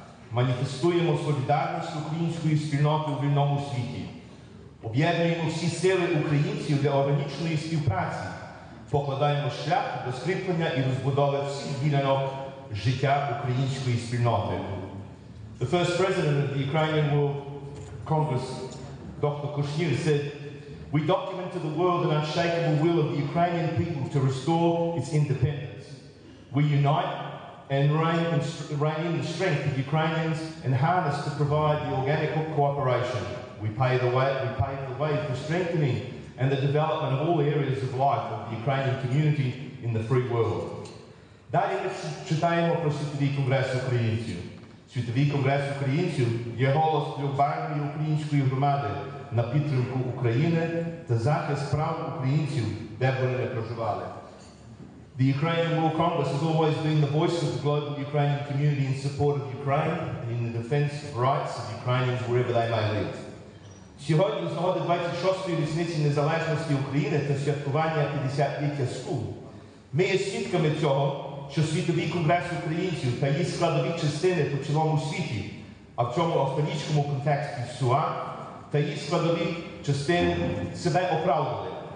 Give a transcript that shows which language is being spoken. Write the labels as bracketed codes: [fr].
[uk] Маніфестуємо солідарність української спільноти у вільному світі. Об'єднуємо всі сили українців для органічної співпраці. Покладаємо шлях до скріплення і розбудови всіх гілянок життя української спільноти. [en] The first president of the Ukrainian World Congress, Dr. Kushnir, said, "We document to the world an unshakable will of the Ukrainian people to restore its independence. We unite and reign the strength of Ukrainians and harness to provide the organic cooperation. We pave the way for strengthening and the development of all areas of life of the Ukrainian community in the free world." [uk] Далі ми читаємо про Світовий конгрес українців. Світовий конгрес українців є голос глобальної української громади на підтримку України та захист прав українців, де б вони не проживали. [en] The Ukrainian World Congress has always been the voice of the global Ukrainian community in support of Ukraine and in the defense of rights of Ukrainians wherever they may live. [uk] Сьогодні, з нагоди 26-ї річниці Незалежності України та святкування 50-ліття СКУ, ми є свідками цього, що Світовий конгрес українців та її складові частини по цілому світі, а в цьому австралійському контексті СУА, та її складові частини себе оправдали.